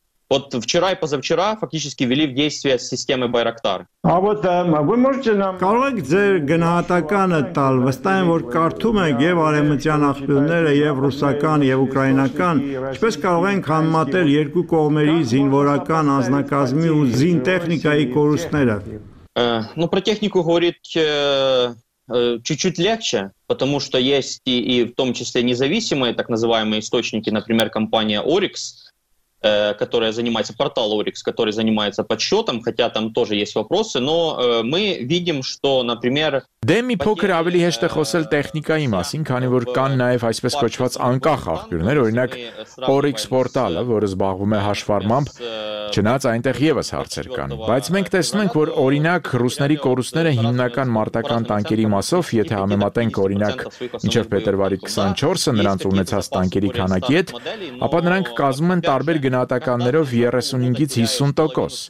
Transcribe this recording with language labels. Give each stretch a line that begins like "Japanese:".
Russian: Вот вчера и позавчера фактически ввели в действие системы Байрактар. А вот вы можете нам
Armenian: Կարո՞ղ եք ձեր գնահատականը տալ, վստահ եմ, որ կարդում եք եւ արեմտյան աղբյուրները, եւ ռուսական, եւ ուկրաինական, ինչպես կարող ենք համատել երկու կողմերի զինվորական անձնակազմի ու զինտեխնիկայի կորուստները։
Russian: Ну про технику говорить чуть-чуть легче, потому что есть и в том числе независимые так называемые источники, например, компания Oryx. которая занимается, портал Oryx, который занимается подсчетом, хотя там тоже есть вопросы, но мы видим, что, например...
Armenian: Դեմի փոքր ավելի հեշտ է խոսել տեխնիկայի մասին, քանի որ կան նաև այսպես կոչված անկախ աղբյուրներ, օրինակ Oryx պորտալը, որը զբաղվում է հաշվարմամբ, չնայած այնտեղ ևս հարցեր կան, բայց մենք տեսնում ենք, որ օրինակ ռուսների կորուստները հիմնական մարտական տանկերի մասով, եթե համեմատենք օրինակ մինչև փետրվարի 24-ը նրանց ունեցած տանկերի քանակի հետ, ապա նրանք կազմում են տարբեր գնահատականներով 35-ից 50%.